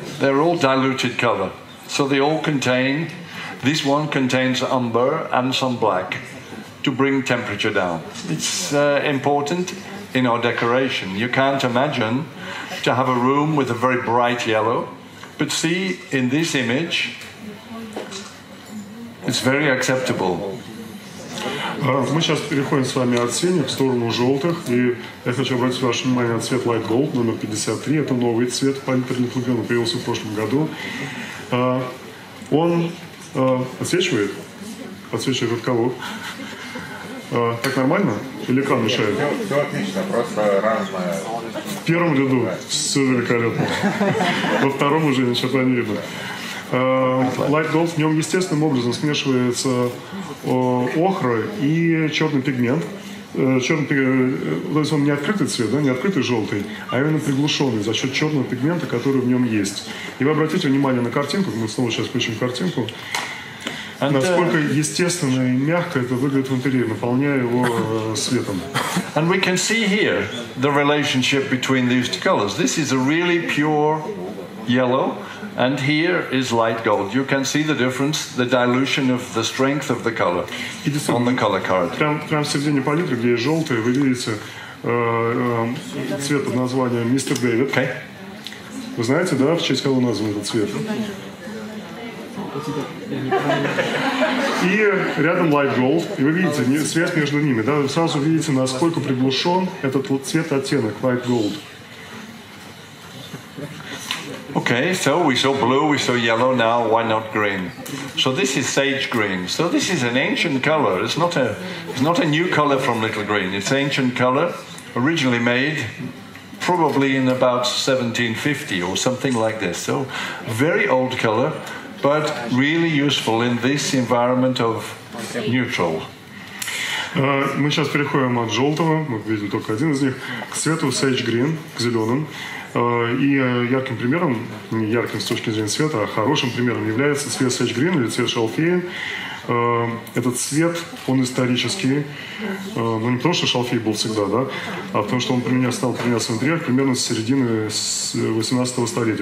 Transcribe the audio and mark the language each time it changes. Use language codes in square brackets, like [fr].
[en] They're all diluted color. So they all contain, this one contains umber and some black to bring temperature down. It's important in our decoration. You can't imagine to have a room with a very bright yellow. But see, in this image, it's very acceptable. [ru] Мы сейчас переходим с вами от синих в сторону желтых, и я хочу обратить ваше внимание на цвет Light Gold номер 53. Это новый цвет, памятный флагон, появился в прошлом году. Он отсвечивает? Отсвечивает от кого? Так нормально? Или экран мешает? Все отлично, просто разное. В первом ряду все великолепно. Во втором уже ничего не видно. Light Gold в нем естественным образом смешивается охра и черный пигмент. То есть он не открытый цвет, да, не открытый желтый, а именно приглушенный за счет черного пигмента, который в нем есть. И вы обратите внимание на картинку, мы снова сейчас включим картинку. Насколько естественно и мягко это выглядит в интерьере, наполняя его светом. [en] And we can see here the relationship between these two colors. This is a really pure yellow, and here is light gold. You can see the difference, the dilution of the strength of the color on the color card. [ru] Прямо в середине палитры, где есть желтые, вы видите, цвет под названием «Мистер Дэвид». [en] Okay. [ru] Вы знаете, да, в честь кого назван этот цвет? И рядом light gold, и вы видите связь между ними, да, вы сразу видите, насколько приглушен этот цвет оттенок light gold. [en] Okay, so we saw blue, we saw yellow, now why not green? So this is sage green. So this is an ancient color. It's not a new color from Little Green. It's ancient color, originally made probably in about 1750 or something like this. So very old color, but really useful in this environment of neutral. [ru] Мы сейчас переходим от желтого, мы видим только один из них, к цвету sage green, к зеленым. И ярким примером, не ярким с точки зрения цвета, а хорошим примером является цвет sage green или цвет шалфея. Этот цвет, он исторический, но не потому, что шалфей был всегда, да, а потому, что он стал применяться в интерьерах примерно с середины 18 столетия.